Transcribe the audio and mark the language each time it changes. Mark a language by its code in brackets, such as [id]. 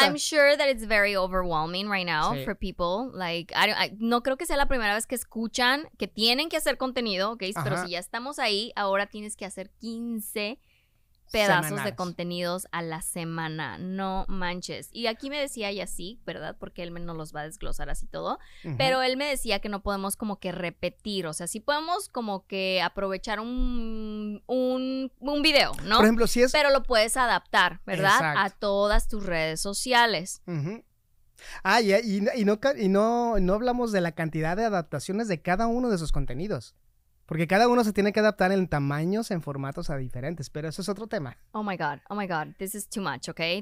[en] I'm sure that it's very overwhelming right now for people. [es] Like, no creo que sea la primera vez que escuchan que tienen que hacer contenido, okay? Pero si ya estamos ahí, ahora tienes que hacer 15 pedazos semanales de contenidos a la semana. No manches. Y aquí me decía Yacik, ¿verdad? Porque él no los va a desglosar así todo. Uh-huh. Pero él me decía que no podemos como que repetir. O sea, sí podemos como que aprovechar un video, ¿no? Por ejemplo, si es... Pero lo puedes adaptar, ¿verdad? Exacto. A todas tus redes sociales. Uh-huh. Ah, y no hablamos de la cantidad de adaptaciones de cada uno de esos contenidos. Porque cada uno se tiene que adaptar en tamaños, en formatos a diferentes, pero eso es otro tema. [en] Oh my God, this is too much, okay?